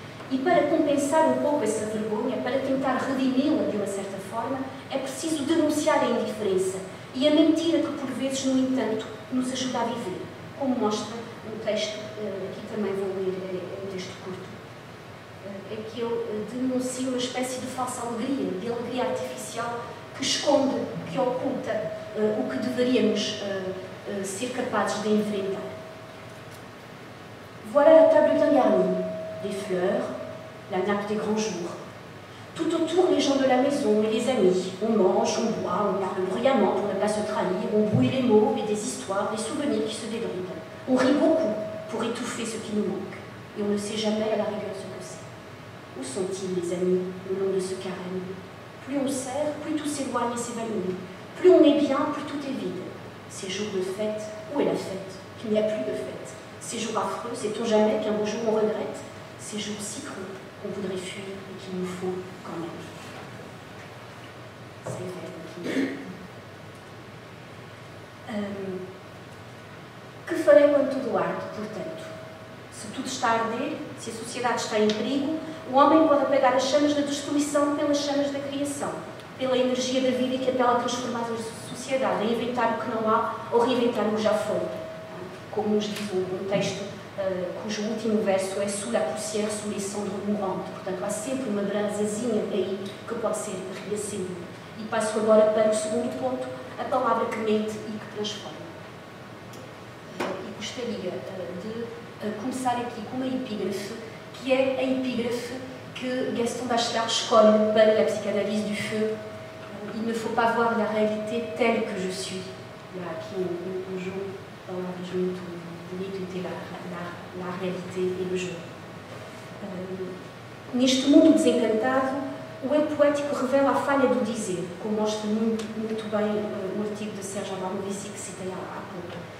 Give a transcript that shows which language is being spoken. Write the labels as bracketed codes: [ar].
[pt] E para compensar um pouco essa vergonha, para tentar redimi-la de uma certa forma, é preciso denunciar a indiferença e a mentira que, por vezes, no entanto, nos ajuda a viver, como mostra um texto, aqui também vou ler, é um texto curto, em que eu denuncio uma espécie de falsa alegria, de alegria artificial, que esconde, que oculta o que deveríamos ser capazes de enfrentar. [fr] Voilà la table d'un garçon, des fleurs, la nappe des grands jours. Tout autour, les gens de la maison et les amis. On mange, on boit, on parle bruyamment pour ne pas se trahir, on bouille les mots et des histoires, des souvenirs qui se débrident. On rit beaucoup pour étouffer ce qui nous manque. Et on ne sait jamais à la rigueur ce que c'est. Où sont-ils, les amis, le long de ce carême? Plus on serre, plus tout s'éloigne et s'évanouit. Plus on est bien, plus tout est vide. Ces jours de fête, où est la fête? Qu'il n'y a plus de fête. Ces jours affreux, sait-on jamais qu'un beau jour on regrette? Ces jours si creux qu'on voudrait fuir et qu'il nous faut quand même. C'est vrai. [pt] Que farei quando tudo arde, portanto? Se tudo está a arder, se a sociedade está em perigo, o homem pode apagar as chamas da destruição pelas chamas da criação, pela energia da vida que apela a transformar a sociedade, a inventar o que não há ou reinventar o que já foi. Como nos diz um texto cujo último verso é sobre a poussière, a ressurreição do morrente. Portanto, há sempre uma brasazinha aí que pode ser reacendida. E passo agora para o segundo ponto, a palavra que mente e que transforma. E gostaria de começar aqui com uma epígrafe, que é a epígrafe que Gaston Bachelard escolhe para a psicanálise du feu. [fr] Il ne faut pas voir la réalité telle que je suis. Il y a [pt] aqui um jogo, uma visão muito bonita entre a realité e o jogo. Neste mundo desencantado, o eu poético revela a falha do dizer, como mostra muito, muito bem o artigo de Sérgio Abramovici que citei há pouco.